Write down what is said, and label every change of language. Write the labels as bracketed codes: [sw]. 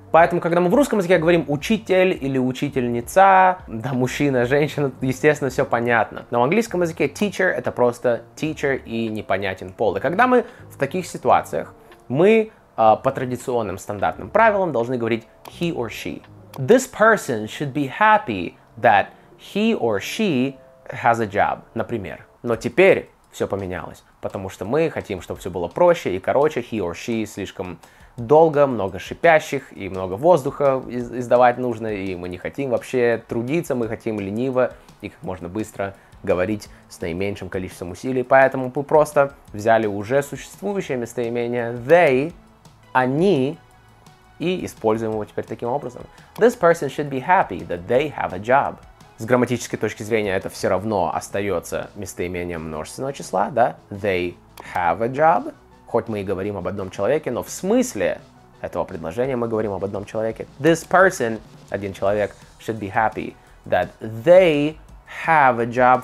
[ru] Поэтому, когда мы в русском языке говорим учитель или учительница, да, мужчина, женщина, естественно, все понятно. Но в английском языке teacher — это просто teacher и непонятен пол. И когда мы в таких ситуациях, мы по традиционным стандартным правилам должны говорить he or she. [en] This person should be happy that he or she has a job, [ru] например. Но теперь все поменялось, потому что мы хотим, чтобы все было проще и короче. He or she слишком долго, много шипящих и много воздуха издавать нужно, и мы не хотим вообще трудиться, мы хотим лениво и как можно быстро говорить с наименьшим количеством усилий. Поэтому мы просто взяли уже существующее местоимение they, они, и используем его теперь таким образом. [en] This person should be happy that they have a job. [ru] С грамматической точки зрения это все равно остается местоимением множественного числа, да? [en] They have a job. [ru] Хоть мы и говорим об одном человеке, но в смысле этого предложения мы говорим об одном человеке. [en] This person, [ru] один человек, [en] should be happy that they have a job.